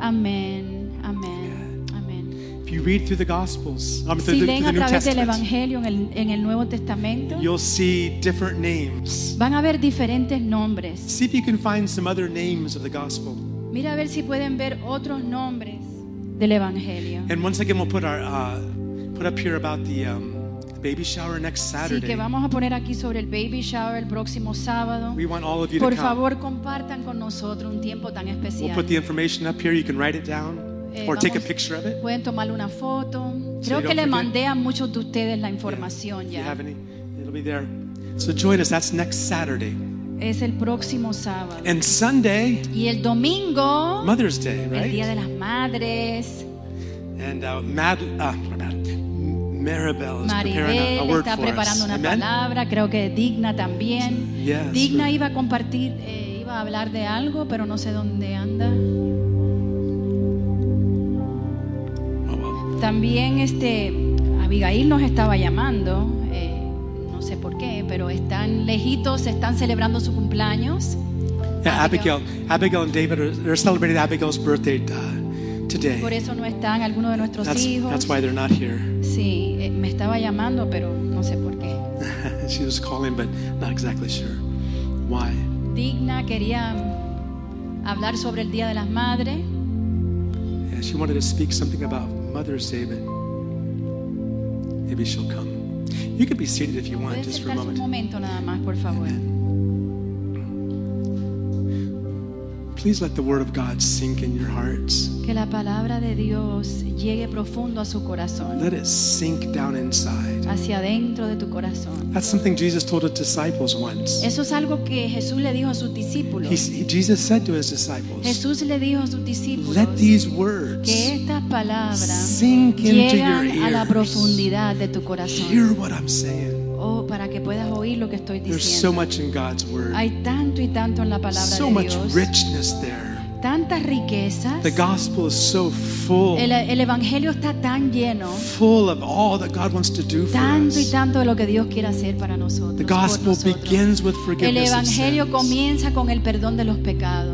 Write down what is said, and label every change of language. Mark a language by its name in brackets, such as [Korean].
[Spanish] Amén. Amén. [English] you read through the Gospels, through the New Testament, you'll see different names. [Spanish] Van a ver diferentes nombres. [English] See if you can find some other names of the Gospel. [Spanish] Mira a ver si pueden ver otros nombres del Evangelio. [English] And once again, we'll put our put up here about the baby shower next Saturday. [Spanish] Sí, que vamos a poner aquí sobre el baby shower el próximo sábado. [English] We want all of you [Spanish] Por [English] to [Spanish] favor, [English] come. [Spanish] Compartan con nosotros un tiempo tan especial. [English] We'll put the information up here. You can write it down. Or take a picture of it. [Spanish] Pueden tomar una foto. Creo que le mandé a muchos de ustedes la información ya. [English] If you have any, it'll be there. So join us. That's next Saturday. [Spanish] Es el próximo sábado. [English] And Sunday. [Spanish] Y el domingo. [English] Mother's Day, right? [Spanish] El día de las madres. [English] And Maribel is preparing a word [Spanish] está preparando una palabra. Creo que Digna también. [English] Yes, [Spanish] Digna iba a compartir, iba a hablar de algo, pero no sé dónde anda. También Abigail nos estaba llamando, no sé por qué, pero están lejitos, están celebrando su cumpleaños. [English] Yeah, Abigail and David are celebrating Abigail's birthday today. [Spanish] Por eso no están algunos de nuestros hijos. [English] That's why they're not here. [Spanish] Sí, me estaba llamando, pero no sé por qué. [English] She was calling, but not exactly sure why. [Spanish] Digna quería hablar sobre el Día de las Madres. [English] Yeah, she wanted to speak something about Mother's Day, but maybe she'll come. You could be seated if you want, just for a moment. [Spanish] Un momento nada más, por favor. [English] Amen. Please let the word of God sink in your hearts. [Spanish] Que la palabra de Dios llegue profundo a su corazón. [English] Let it sink down inside. [Spanish] Hacia dentro de tu corazón. [English] That's something Jesus told his disciples once. [Spanish] Eso es algo que Jesús le dijo a sus discípulos. [English] Jesus said to his disciples. [Spanish] Jesús le dijo a sus discípulos. [English] Let these words [Spanish] que estas palabras [English] sink into your ears. [Spanish] A la profundidad de tu corazón. [English] Hear what I'm saying. [Spanish] Oh, para que puedas oír lo que estoy diciendo. [English] There's so much in God's word. [Spanish] Hay tanto y tanto en la palabra [English] so [Spanish] de Dios. [English] Much richness there. [Spanish] Tantas riquezas. [English] The gospel is so full. [Spanish] El evangelio está tan lleno. [English] Full of all that God wants to do for us. [Spanish] Tanto y tanto de lo que Dios quiere hacer para nosotros. [English] The gospel begins with forgiveness. [Spanish] El evangelio comienza con el perdón de los pecados.